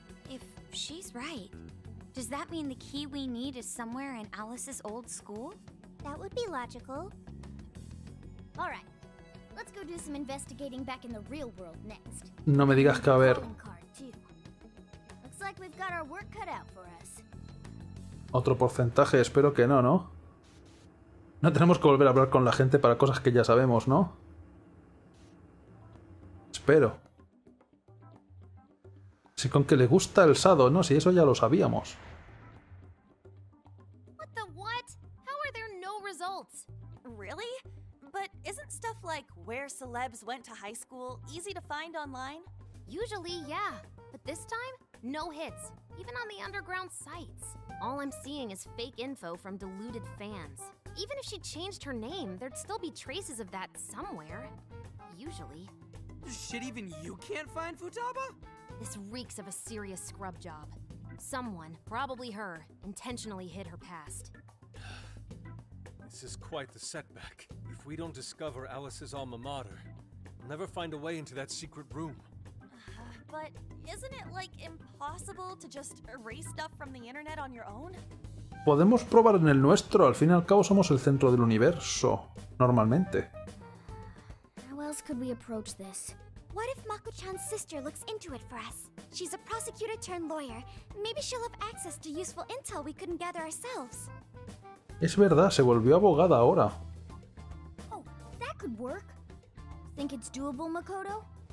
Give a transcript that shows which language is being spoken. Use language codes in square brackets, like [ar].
[en] If she's right, does that mean the key we need is somewhere in Alice's old school? That would be logical. All right. Let's go do some investigating back in the real world next. [es] No me digas que a ver. [en] Looks like we've got our work cut out for us. [es] Otro porcentaje, espero que no, ¿no? No tenemos que volver a hablar con la gente para cosas que ya sabemos, ¿no? Espero. Sí, con que le gusta el Sado, ¿no? Si eso ya lo sabíamos. [en] What the what? How are there no results? Really? But isn't stuff like where celebs went to high school easy to find online? Usually, yeah. But this time, no hits. Even on the underground sites. All I'm seeing is fake info from deluded fans. Even if she changed her name, there'd still be traces of that somewhere. Usually. Shit, even you can't find Futaba? This reeks of a serious scrub job. Someone, probably her, intentionally hid her past. This is quite the setback. If we don't discover Alice's alma mater, we'll never find a way into that secret room. But isn't it, like, impossible to just erase stuff from the internet on your own? [es] Podemos probar en el nuestro. Al fin y al cabo somos el centro del universo, normalmente. [en] How else could we approach this? What if Mako-chan's sister looks into it for us? She's a prosecutor turned lawyer. Maybe she'll have access to useful intel we couldn't gather ourselves. [es] Es verdad, se volvió abogada ahora. [en] Oh, that could work. Think it's doable, Makoto?